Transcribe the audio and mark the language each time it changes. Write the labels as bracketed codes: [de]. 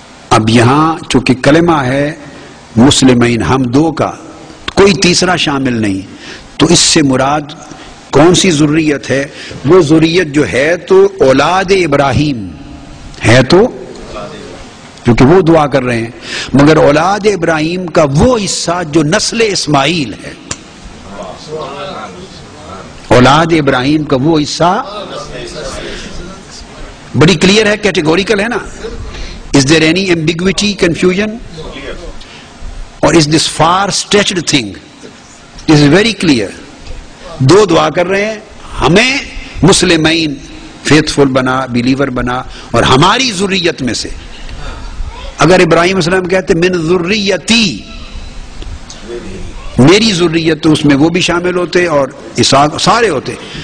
[ur] اب یہاں چونکہ کلمہ ہے مسلمین، ہم دو کا، کوئی تیسرا شامل نہیں، تو اس سے مراد کون سی ذریت ہے؟ وہ ذریت جو ہے تو اولاد ابراہیم ہے، تو کیونکہ وہ دعا کر رہے ہیں، مگر اولاد ابراہیم کا وہ حصہ جو نسل اسماعیل ہے، اولاد ابراہیم کا وہ حصہ. بڑی کلیئر ہے، کیٹیگوریکل ہے نا. [en] Is there any ambiguity, confusion? Or is this far-stretched thing? This is very clear. [ur] دو دعا کر رہے ہیں، ہمیں مسلمین faithful بنا، believer بنا، اور ہماری ذریت میں سے. اگر ابراہیم علیہ السلام کہتے من ذریتی، میری ذریت، تو اس میں وہ بھی شامل ہوتے اور سارے ہوتے.